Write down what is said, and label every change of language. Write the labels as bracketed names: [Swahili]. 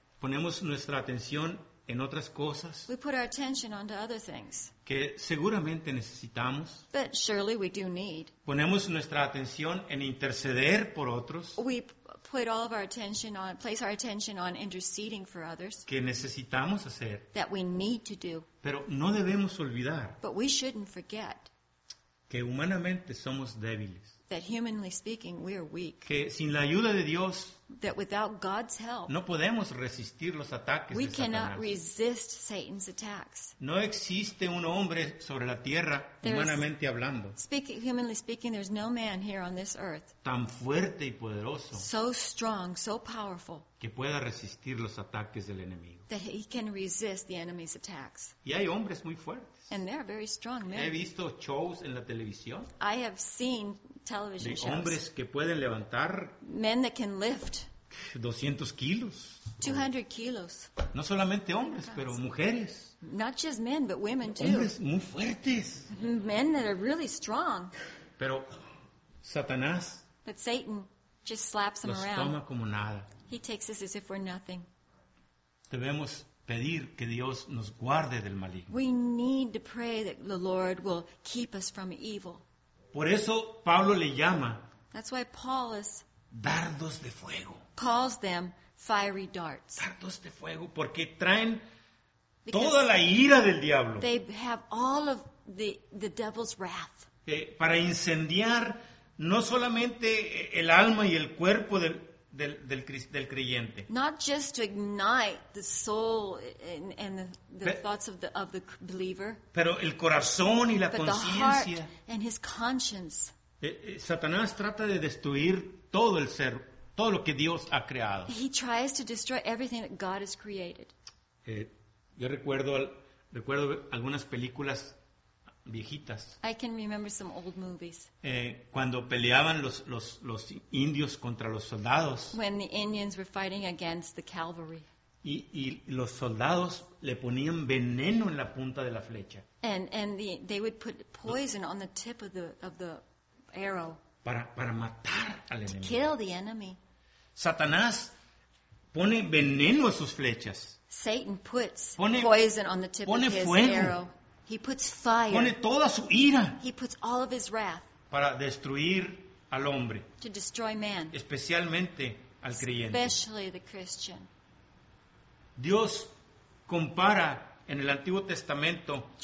[Spanish] Ponemos nuestra atención en otras cosas. [English] We put our attention onto other things. [Spanish] Que seguramente necesitamos. [English] But surely we do need. [Spanish] Ponemos nuestra atención en interceder por otros. [English] We put all of our attention on, place our attention on interceding for others. [Spanish] Que necesitamos hacer. [English] That we need to do. [Spanish] Pero no debemos olvidar. [English] But we shouldn't forget. [Spanish] Que humanamente somos débiles. [English] That humanly speaking, we are weak. [Spanish] Que sin la ayuda de Dios. [English] That without God's help. [Spanish] No podemos resistir los ataques de Satanás. [English] We cannot resist Satan's attacks. [Spanish] No existe un hombre sobre la tierra, humanamente hablando. [English] Humanly speaking, there's no man here on this earth. [Spanish] Tan fuerte y poderoso. [English] So strong, so powerful. [Spanish] Que pueda resistir los ataques del enemigo. [English] That he can resist the enemy's attacks. [Spanish] Y hay hombres muy fuertes. [English] And they're very strong men. [Spanish] He visto shows en la televisión. [English] I have seen television [Spanish] shows. De hombres que pueden levantar. [English] Men that can lift. [Spanish] 200 kilos. [English] 200 kilos. [Spanish] No solamente hombres, pero mujeres. [English] Not just men, but women too. [Spanish] Hombres muy fuertes. [English] Men that are really strong. [Spanish] Pero Satanás. [English] But Satan just slaps them around. [Spanish] Los toma como nada. [English] He takes us as if we're nothing. [Spanish] Debemos pedir que Dios nos guarde del maligno. [English] We need to pray that the Lord will keep us from evil. [Spanish] Por eso Pablo le llama. [English] That's why Paul is [Spanish] dardos de fuego. [English] Calls them fiery darts. [Spanish] Dardos de fuego porque traen [English] because [Spanish] toda la ira del diablo. [English] They have all of the devil's wrath. [Spanish] Para incendiar no solamente el alma y el cuerpo del creyente. [English] Not just to ignite the soul and the thoughts of the believer. [Spanish] Pero el corazón y la conciencia. [English] But the heart and his conscience. [Spanish] Satanás trata de destruir todo el ser, todo lo que Dios ha creado. [English] He tries to destroy everything that God has created. [Spanish] Yo recuerdo algunas películas viejitas. [English] I can remember some old movies. [Spanish] Cuando peleaban los indios contra los soldados. [English] When the Indians were fighting against the cavalry. [Spanish] Y los soldados le ponían veneno en la punta de la flecha. [English] And they would put poison on the tip of the arrow. [Spanish] Para matar al enemigo. [English] To kill the enemy. [Spanish] Satanás pone veneno a sus flechas. [English] Satan puts poison on the tip of his [Spanish] fuego. [English] Arrow. He puts fire. [Spanish] Pone toda su ira. [English] He puts all of his wrath. [Spanish] Para destruir al hombre. [English] To destroy man. [Spanish] Especialmente al creyente. [English] Especially the Christian. [Spanish] Dios compara en el Antiguo Testamento.